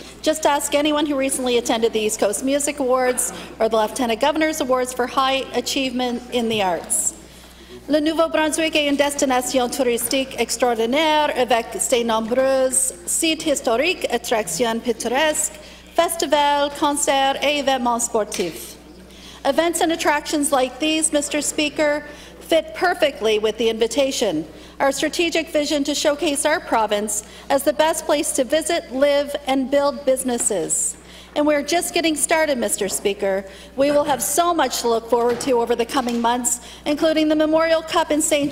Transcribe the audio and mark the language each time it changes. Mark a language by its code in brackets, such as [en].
[en] Just ask anyone who recently attended the East Coast Music Awards or the Lieutenant Governor's Awards for high achievement in the arts. [fr] Le Nouveau-Brunswick est une destination touristique extraordinaire avec ses nombreuses sites historiques, attractions pittoresques, festivals, concerts et événements sportifs. [en] Events and attractions like these, Mr. Speaker, fit perfectly with the invitation, our strategic vision to showcase our province as the best place to visit, live, and build businesses. And we're just getting started, Mr. Speaker. We will have so much to look forward to over the coming months, including the Memorial Cup in St.